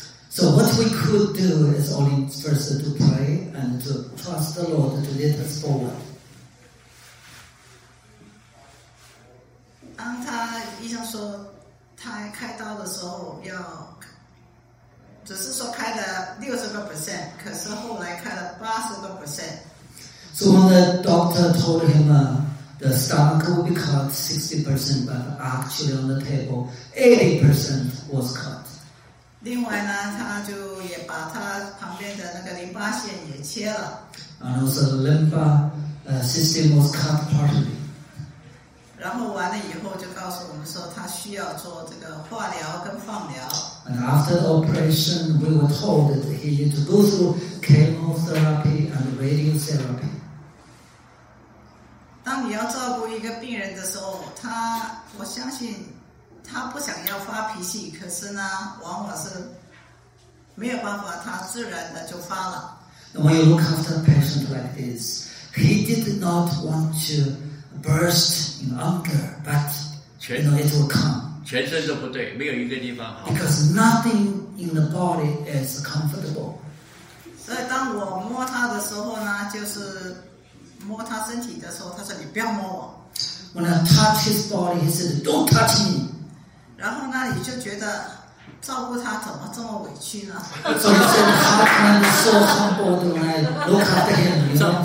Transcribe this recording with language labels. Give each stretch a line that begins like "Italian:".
English: So what we could do is only first to pray and to trust the Lord to lead us forward.
Chinese: 当他医生说他开刀的时候要只是说开了 60%， 可是后来开了 80%。
English: So when the doctor told him the stomach will be cut 60%， but actually on the table 80% was cut。
Chinese: 另外呢，他就也把他旁边的那个淋巴腺也切了，
English: and also the lymph system was cut partially。
Chinese: 然后完了以后就告诉我们说他需要做这个化疗跟放疗。
English: And after the operation, we were told that he needed to go through chemotherapy and radiotherapy.
Chinese: 当你要照顾一个病人的时候，他，我相信他不想要发脾气，可是呢，往往是没有办法，他自然的就发了。
English: When you look after a patient like this, he did not want to. Burst in anger, but you know it will come.
Chinese: 全身都不对，没有一个地方好。
English: Because nothing in the body is comfortable.
Chinese: 所以当我摸他的时候呢，就是摸他身体的时候，他说你不要摸我。
English: When I touch his body, he said, "Don't touch me."
Chinese: 然后呢，你就觉得照顾他怎么这么委屈呢？所以说他看说很多的那罗卡的眼睛，